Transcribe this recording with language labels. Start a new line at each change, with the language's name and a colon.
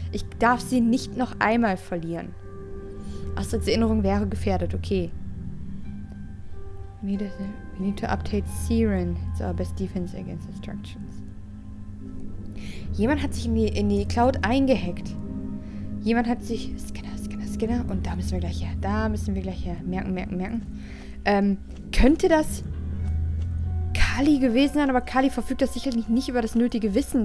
German: Ich darf sie nicht noch einmal verlieren. Astrids Erinnerung wäre gefährdet, okay.
English: We need to update Siren. It's our best defense against instructions.
German: Jemand hat sich in die Cloud eingehackt. Jemand hat sich... Scanner. Und da müssen wir gleich her. Merken. Könnte das... Kali gewesen sein, aber Kali verfügt das sicherlich nicht über das nötige Wissen.